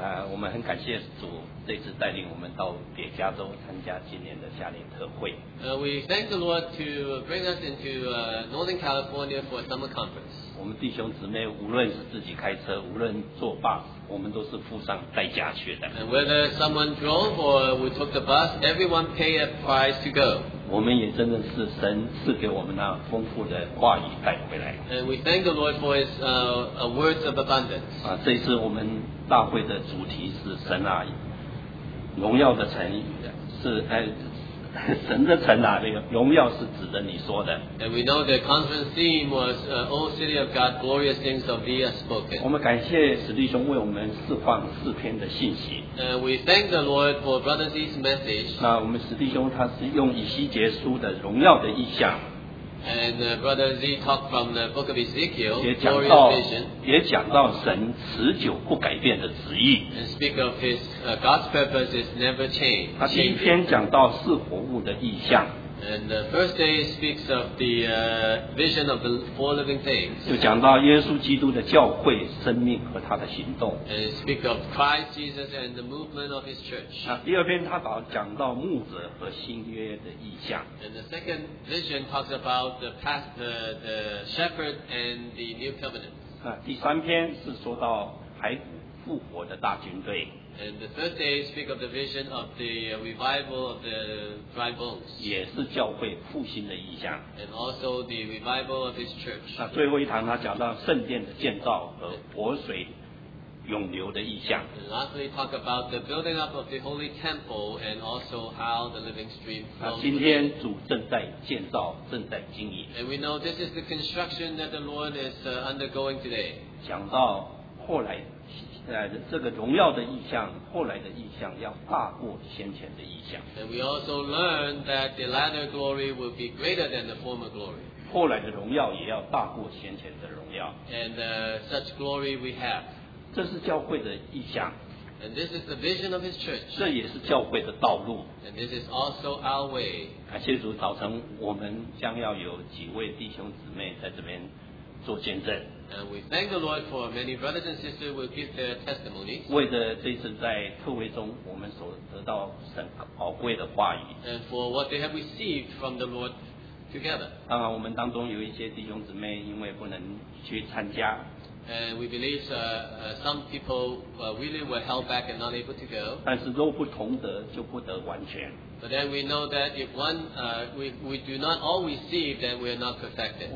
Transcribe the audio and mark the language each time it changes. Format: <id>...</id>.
<zh>我们很感谢主这次带领我们到北加州参加今年的夏令特会。</zh> <en>We thank the Lord to bring us into Northern California for summer conference.</en> <zh>我们弟兄姊妹无论是自己开车，无论坐 bus， 我们都是付上代价去的。</zh> <en>And whether someone drove or we took the bus, everyone paid a price to go.</en> <zh>我们也真的是神赐给我们那丰富的话语带回来。</zh> <en>And we thank the Lord for His words of abundance.</en> <zh>啊，这次我们大会的主题是神啊，荣耀的城是神的城啊，荣耀是指的你说的。</zh> <en>And we know the conference theme was O City of God, glorious things of thee are spoken.</en> <zh>我们感谢史弟兄为我们释放四篇的信息。</zh> <en>We thank the Lord for Brother Z's message.</en> <zh>那我们史弟兄他是用以西结书的荣耀的意象。</zh> <en>And Brother Z talked from the book of Ezekiel,</en> <zh>也讲到神持久不改变的旨意。</zh> <en>And speak of his God's purpose is never changed.</en> <zh>他第一篇讲到四活物的意象。</zh> <en>And the first day speaks of the vision of the four living things.</en> <zh>就讲到耶稣基督的教会生命和他的行动。</zh> <en>And speak of Christ Jesus and the movement of his church.</en> <zh>第二篇他讲到牧者和新约的意象。</zh> <en>And the second vision talks about the pastor, the shepherd and the new covenant.</en> <zh>第三篇是说到还复活的大军队。</zh> <en>And the third day speak of the vision of the revival of the dry bones.</en> <zh>也是教会复兴的意象。</zh> <en>And also the revival of his church.</en> <zh>那最后一堂他讲到圣殿的建造和活水涌流的意象。</zh> <en>And lastly talk about the building up of the holy temple and also how the living stream flows.</en> <zh>那今天主正在建造，正在经营。</zh> <en>And we know this is the construction that the Lord is undergoing today.</en> <zh>讲到后来这个荣耀的意象，后来的意象要大过先前的意象。</zh> <en>And we also learn that the latter glory will be greater than the former glory.</en> <zh>后来的荣耀也要大过先前的荣耀。</zh> <en>And such glory we have.</en> <zh>这是教会的意象。</zh> <en>And this is the vision of his church.</en> <zh>这也是教会的道路。</zh> <en>And this is also our way.</en> <zh>感谢主，早晨我们将要有几位弟兄姊妹在这边做见证。</zh> <en>And we thank the Lord for many brothers and sisters who will give their testimonies.</en> <zh>为着这次在特会中我们所得到神宝贵的话语。</zh> <en>And for what they have received from the Lord together.</en> <zh>当然我们当中有一些弟兄姊妹因为不能去参加。</zh> <en>And we believe some people really were held back and not able to go.</en> <zh>但是若不同德就不得完全。</zh> <en>But then we know that if one we do not all receive, then we are not perfected.</en>